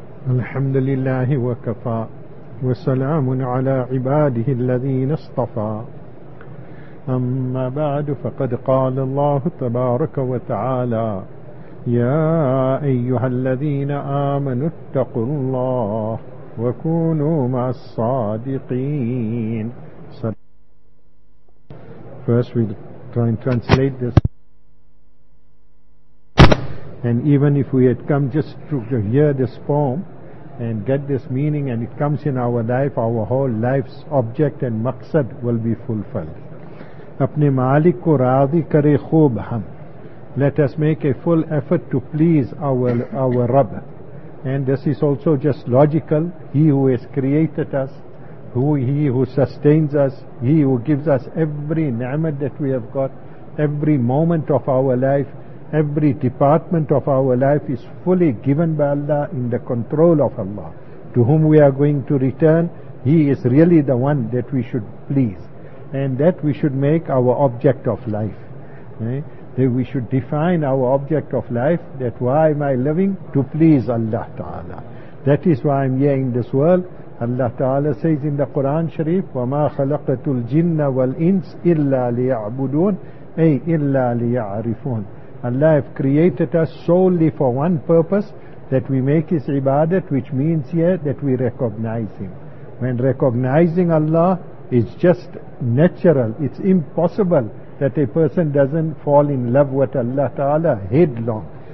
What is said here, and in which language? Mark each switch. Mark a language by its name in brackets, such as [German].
[Arabic] الحمد لله وكفى وسلام على عباده الذين اصطفى, أما بعد, فقد قال الله تبارك وتعالى: يا أيها الذين آمنوا اتقوا الله وكونوا مع الصادقين. [English] First we try and translate this. And even if we had come just to hear this poem and get this meaning and it comes in our life, our whole life's object and maqsad will be fulfilled. [Urdu] اپنے مالک کو راضی کرے خوب ہم. [English] Let us make a full effort to please our Rabb. And this is also just logical. He who has created us, he who sustains us, he who gives us every ni'mat that we have got, every moment of our life, every department of our life is fully given by Allah, in the control of Allah. To whom we are going to return, he is really the one that we should please. And that we should make our object of life. That we should define our object of life, that why am I living? To please Allah Ta'ala. That is why I'm here in this world. Allah Ta'ala says in the Quran Sharif, [Arabic] وَمَا خَلَقَتُ الْجِنَّ وَالْإِنسِ إِلَّا لِيَعْبُدُونَ أي إِلَّا لِيَعْرِفُونَ. [English] Allah have created us solely for one purpose, that we make His ibadat, which means here that we recognize Him. When recognizing Allah, it's just natural. It's impossible that a person doesn't fall in love with Allah Ta'ala headlong.